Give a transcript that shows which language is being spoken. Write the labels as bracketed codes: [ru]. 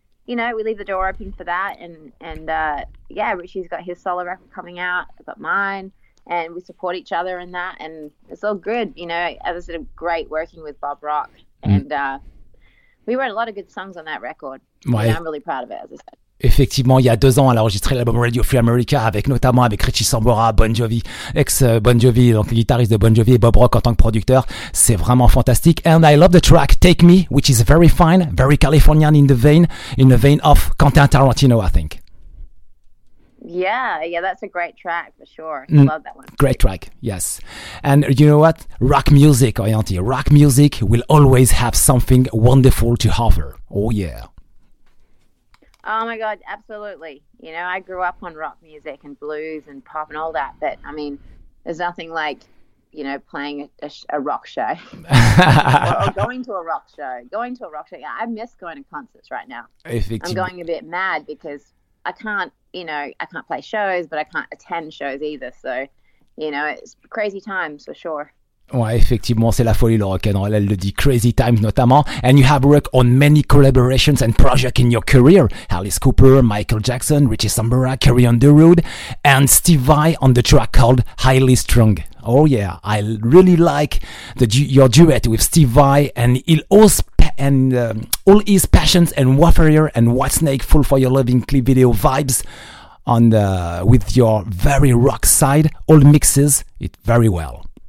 [en] You know, we leave the door open for that, and Richie's got his solo record coming out, I've got mine, and we support each other in that, and it's all good. You know, as I said, great working with Bob Rock, and we wrote a lot of good songs on that record, [fr] ouais. [en] And I'm really proud of it, as I said. [fr] Effectivement, il y a 2 ans, elle a enregistré l'album Radio Free America avec Richie Sambora, Bon Jovi, ex-Bon Jovi, donc guitariste de Bon Jovi et Bob Rock en tant que producteur. C'est vraiment fantastique. [en] And I love the track Take Me, which is very fine, very Californian in the vein of Quentin Tarantino, I think. Yeah, that's a great track for sure. I love that one. Great track, yes. And you know what? Rock music, Orienti. Rock music will always have something wonderful to offer. Oh yeah. Oh my God, absolutely. You know, I grew up on rock music and blues and pop and all that, but I mean, there's nothing like, you know, playing a rock show. Or going to a rock show. Yeah, I miss going to concerts right now. Effectively. I'm going a bit mad because I can't, you know, I can't play shows, but I can't attend shows either. So, you know, it's crazy times for sure. [fr] Ouais, effectivement, c'est la folie, le rock'n'roll, elle le dit, Crazy Times notamment. [en] And you have worked on many collaborations and projects in your career. Alice Cooper, Michael Jackson, Richie Sambora, Carrie Underwood, and Steve Vai on the track called Highly Strung. Oh yeah, I really like your duet with Steve Vai and all his passions and Warfarer and Whitesnake Full for Your Loving clip video vibes with your very rock side, all mixes it very well.